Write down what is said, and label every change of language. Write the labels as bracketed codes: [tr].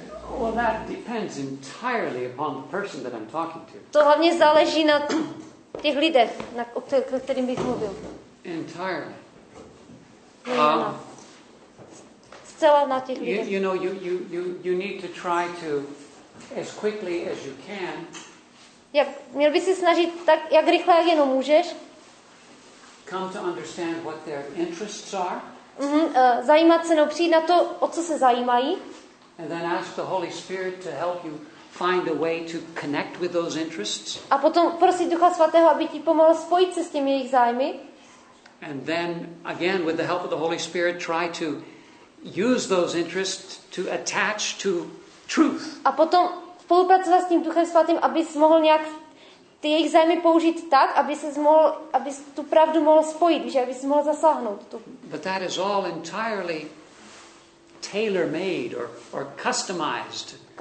[en] Well, that depends entirely upon the person that I'm talking to. [cs] To hlavně záleží na těch lidech, kterým bych mluvil. [en] Entirely. [cs] Nejedná. zcela na těch lidech. [en] You know, you need to try to as quickly as you can. [cs] Jak, měl by si snažit tak, jak rychle jak jenom můžeš. [en] Come to understand what their interests are. [cs] Zajímat se, no, přijít na to, o co se zajímají. [en] And then ask the Holy Spirit to help you find a way to connect with those interests. [cs] A potom prosit Ducha Svatého, aby ti pomohl spojit se s těmi jejich zájmy. [en] And then again with the help of the Holy Spirit try to use those interests to attach to truth. [cs] A potom spolupracovat s tím Duchem Svatým, abys mohl nějak ty jejich zájmy použít tak, aby ses mohl, abys tu pravdu mohl spojit, že abys mohl zasáhnout tu. [en] But that is all entirely tailor-made or customized.